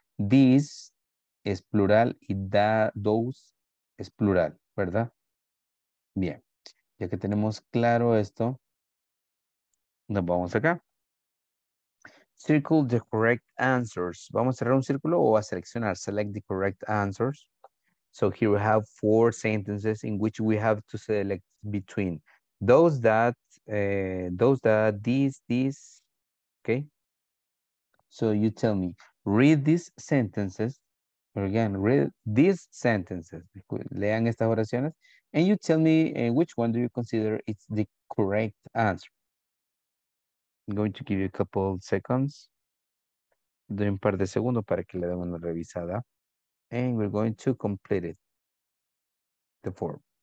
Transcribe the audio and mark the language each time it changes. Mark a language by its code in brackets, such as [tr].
[es] This es plural y those es plural, ¿verdad? Bien, ya que tenemos claro esto, nos vamos acá. [en] Circle the correct answers. [es] ¿Vamos a cerrar un círculo o a seleccionar? [en] Select the correct answers. So here we have four sentences in which we have to select between those that, these, okay? So you tell me, read these sentences, or again, read these sentences, [es] lean estas oraciones, [en] and you tell me which one do you consider it's the correct answer. I'm going to give you a couple seconds. [es] Doy un par de segundos para que le den una revisada. [en] And we're going to complete it, the form.